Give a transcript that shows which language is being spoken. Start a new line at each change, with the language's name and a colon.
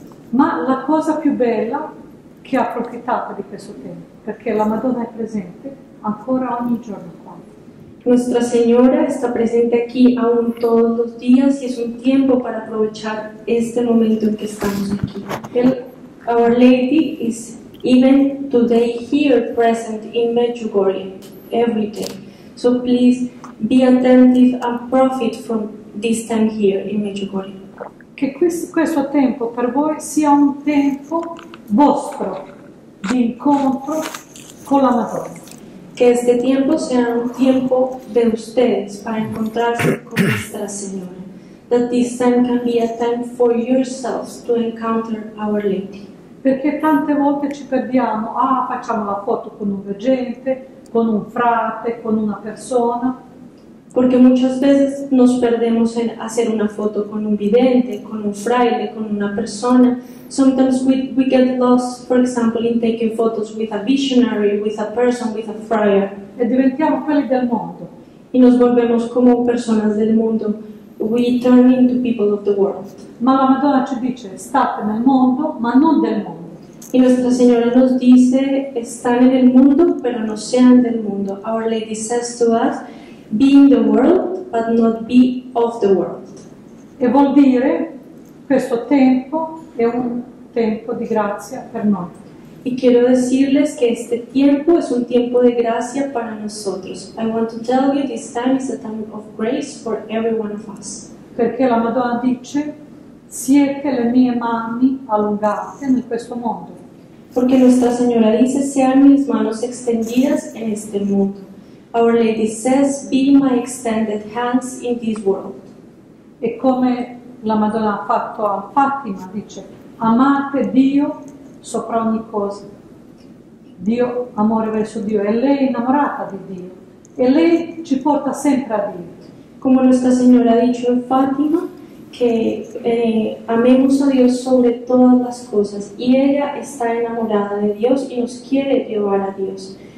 Italian: Ma la cosa più bella che ha approfittato di questo tempo, perché la Madonna è presente ancora ogni giorno qua.
Spanish: Nuestra Señora está presente aquí aún todos los días y es un tiempo para aprovechar este momento en que estamos aquí.
English: Our Lady is even today here present in Medjugorje every day. So please be attentive and profit from this time here in Medjugorje.
Italian: Che questo tempo per voi sia un tempo vostro di incontro con la Madonna.
Spanish: Que este tiempo sea un tiempo de ustedes para encontrarse con nuestra Señora.
English: That this time can be a time for yourselves to encounter Our Lady.
Italian: Perché tante volte ci perdiamo, facciamo la foto con un veggente, con un frate, con una persona.
Spanish: Porque muchas veces nos perdemos en hacer una foto con un vidente, con un fraile, con una persona.
English: Sometimes we get lost, for example, in taking photos with a visionary, with a person, with a friar.
Italian: E diventiamo quelli del mondo.
Spanish: Y nos volvemos como personas del mundo.
English: We turn into people of the world.
Italian: Ma la Madonna ci dice, state nel mondo, ma non del mondo.
Spanish: Y Nuestra Señora nos dice, están en el mundo, pero no sean del mundo.
English: Our Lady says to us, be in the world, but not be of the world.
Italian: Che vuol dire? Questo tempo è un tempo di grazia per noi.
Spanish: Y quiero decirles que este tiempo es un tiempo de gracia para nosotros.
English: I want to tell you this time is a time of grace for every one of us.
Italian: Perché la Madonna dice, siete le mie mani allungate in questo mondo.
Spanish: Porque Nuestra Señora dice, sean mis manos extendidas en este mundo.
English: Our Lady says, be my extended hands in this world.
Italian: E come la Madonna ha fatto a Fatima, dice, amate Dio sopra ogni cosa. Dio, amore verso Dio, e lei è innamorata di Dio. E lei ci porta sempre a Dio.
Spanish: Come Nuestra Señora ha dicho en Fatima, que amemos a Dios sobre todas las cosas y ella está enamorada de Dios y nos quiere llevar a Dios.